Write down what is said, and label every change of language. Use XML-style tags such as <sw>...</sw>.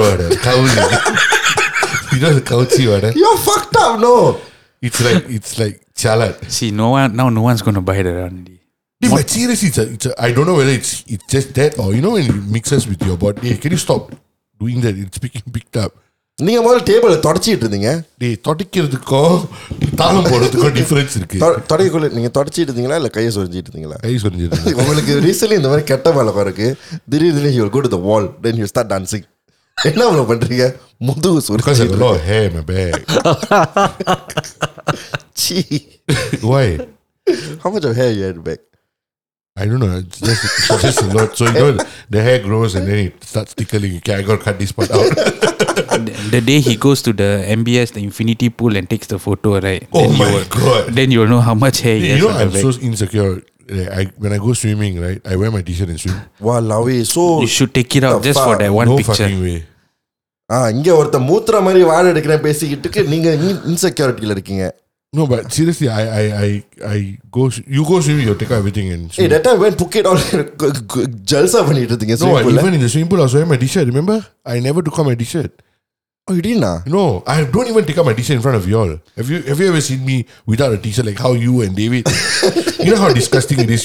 <en>You know the couchy, right? You're fucked up, no. It's like chalat. See, no one's gonna buy that only. Yeah, but seriously, I don't know whether it's just that or you know when it mixes with your body. Hey, can you stop doing that? It's being picked up.</en> <ta>நீங்க முதல்ல table தொடச்சிட்டு இருந்தீங்க. டேய் தொடக்கிறதுக்கும் தாளம் போடுறதுக்கும் difference இருக்கு. தொடக்கல நீங்க தொடச்சிட்டு இருந்தீங்களா இல்ல கையை சொரிஞ்சிட்டு இருந்தீங்களா? கை சொரிஞ்சிருந்தேன். உங்களுக்கு</ta> <en>recently</en> <ta>இந்த மாதிரி கெட்ட வேலை பாருக்கு.</ta> <en>திடீர்னு you go to the wall then you start dancing.</en> <ta>என்ன அவ்வளவு பண்றீங்க? முதுகு சொரிஞ்சிட்டு.</ta> <en>Oh hey my back. சி. Why? How much of hair you had back? I don't know. Just a lot. So you know, the hair grows and then it starts tickling. Okay, I gotta cut this part out. The day he goes to the MBS, the infinity pool, and takes the photo, right? Oh then my god! Then you'll know how much hair. You know, I'm so insecure. When I go swimming, right, I wear my T-shirt and swim. Wow, lawe. So you should take it out just for that one no picture. No fucking way.</en> <ta>இங்க ஒருத்த மூத்திர மாதிரி வாழ எடுக்கிறேன் பேசிக்கிட்டு நீங்க இன்செக்யூரிட்டியில இருக்கீங்க.</ta> <en>No, but seriously, I go. You go swimming, you take everything and swim. Hey, that time I went Phuket all jalsa when you no, pool, even in the swimming pool, I was wearing my t-shirt. Remember, I never took out my t-shirt. Oh, you didn't? No, I don't even take out my t-shirt in front of y'all. Have you ever seen me without a t-shirt? Like how you and David, you know how disgusting it is.</en>